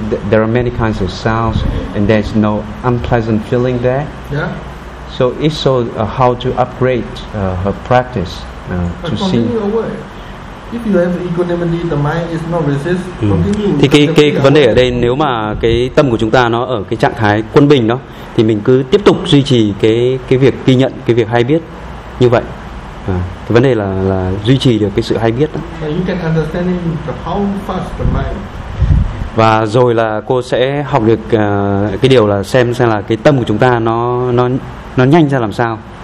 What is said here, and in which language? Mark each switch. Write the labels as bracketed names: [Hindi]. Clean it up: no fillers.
[English] There are many kinds of sounds, and there's no unpleasant feeling there. Yeah. So it's so how to upgrade her practice to continue see. Away. If you have equanimity, the mind is not resist. [Vietnamese] Thì cái vấn đề ở đây, nếu mà cái tâm của chúng ta nó ở cái trạng thái quân bình đó, thì mình cứ tiếp tục duy trì cái việc ghi nhận, cái việc hay biết như vậy. Cái vấn đề là duy trì được cái sự hay biết đó. [English] But you can understand how fast the mind. [Vietnamese] Và rồi là cô sẽ học được cái điều là xem là cái tâm của chúng ta nó nhanh ra làm sao.